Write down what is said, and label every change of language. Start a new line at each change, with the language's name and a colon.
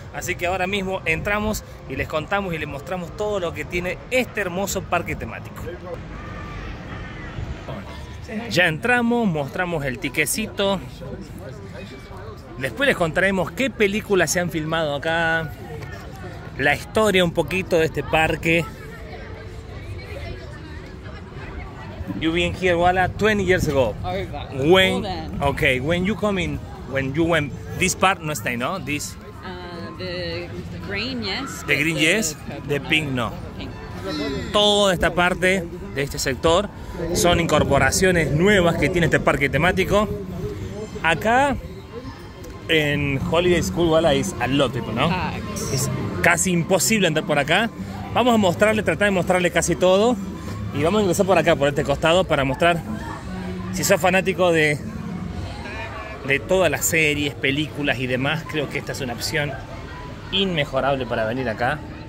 Spanish: Así que ahora mismo entramos y les contamos y les mostramos todo lo que tiene este hermoso parque temático. Ya entramos, mostramos el tiquecito. Después les contaremos qué películas se han filmado acá, la historia un poquito de este parque.
English: You been here, Wala, 20 years ago. Okay, when? Okay, when you come in, when you went this part, no stay, no this. The green, yes. The green, the, yes. The pink, no. Pink.
Spanish: Toda esta parte de este sector son incorporaciones nuevas que tiene este parque temático. Acá en
English: Holiday School, Wala, is a lot of people, no. Packs.
Spanish: Es casi imposible andar por acá. Vamos a mostrarle, tratar de mostrarle casi todo. Y vamos a ingresar por acá, por este costado, para mostrar si sos fanático de todas las series, películas y demás. Creo que esta es una opción inmejorable para venir acá.